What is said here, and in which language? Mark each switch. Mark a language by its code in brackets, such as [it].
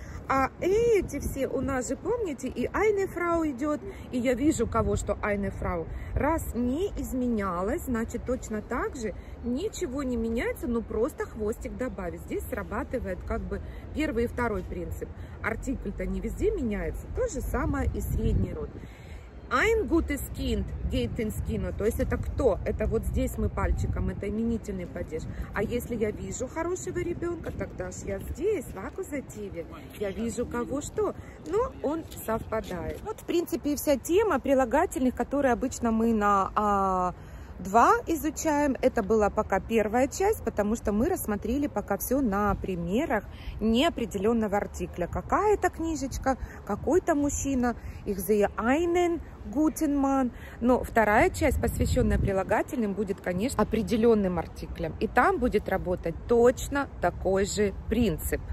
[ru] А эти все у нас же, помните, и [de] eine Frau [ru] идет, и я вижу кого, что eine Frau. Раз не изменялось, значит точно так же ничего не меняется, но просто хвостик добавить. Здесь срабатывает как бы первый и второй принцип. Артикль-то не везде меняется, то же самое и средний род. [de] Ein gutes Kind geht ins Kino, [ru] то есть это кто? Это вот здесь мы пальчиком, это именительный падеж. А если я вижу хорошего ребенка, тогда же я здесь, в аккузативе, я вижу кого что, но он совпадает. Вот, в принципе, вся тема прилагательных, которые обычно мы на два изучаем, это была пока первая часть, потому что мы рассмотрели пока все на примерах неопределенного артикля. Какая-то книжечка, какой-то мужчина, [de] ich sehe einen guten Mann. [ru] Но вторая часть, посвященная прилагательным, будет, конечно, определенным артиклем. И там будет работать точно такой же принцип.